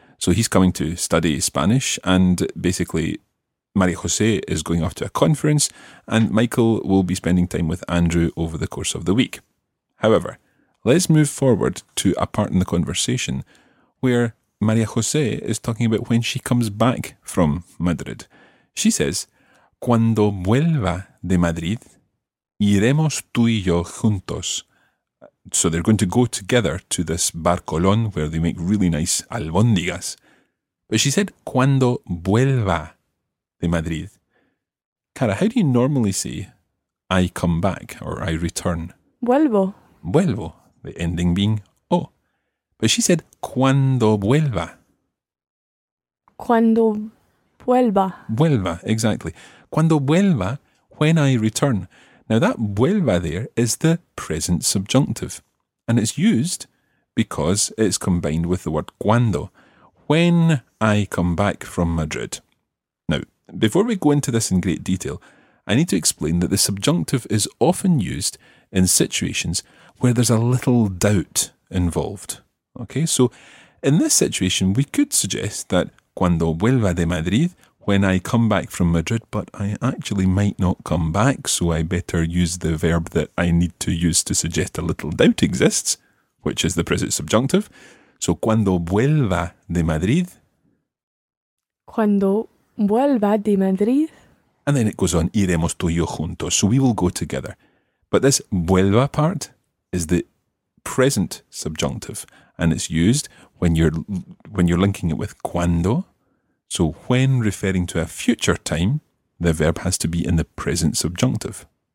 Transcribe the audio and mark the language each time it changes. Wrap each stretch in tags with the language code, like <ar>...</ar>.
<en>So he's coming to study Spanish, and basically María José is going off to a conference, and Michael will be spending time with Andrew over the course of the week. However, let's move forward to a part in the conversation where María José is talking about when she comes back from Madrid. She says,</en> <es>cuando vuelva de Madrid, iremos tú y yo juntos.</es> <en>So they're going to go together to this Bar Colón, where they make really nice albóndigas. But she said,</en> <es>cuando vuelva de Madrid.</es> <en>Cara, how do you normally say, I come back, or I return?</en> <es>Vuelvo.</es> <en>Vuelvo, the ending being O. But she said,</en> <es>cuando vuelva. Cuando vuelva.</es> <en>Vuelva, exactly.</en> <es>Cuando vuelva,</es> <en>when I return. Now that vuelva there is the present subjunctive. And it's used because it's combined with the word cuando. When I come back from Madrid. Now, before we go into this in great detail, I need to explain that the subjunctive is often used in situations where there's a little doubt involved. Okay, so in this situation, we could suggest that</en> <es>cuando vuelva de Madrid,</es> <en>when I come back from Madrid, but I actually might not come back, so I better use the verb that I need to use to suggest a little doubt exists, which is the present subjunctive.</en> <es>So, cuando vuelva de Madrid. Cuando vuelva de Madrid.</es> <en>And then it goes on,</en> <es>iremos tú y yo juntos.</es> <en>So we will go together. But this vuelva part is the present subjunctive. And it's used when you're linking it with cuando. So when referring to a future time, the verb has to be in the present subjunctive.</en>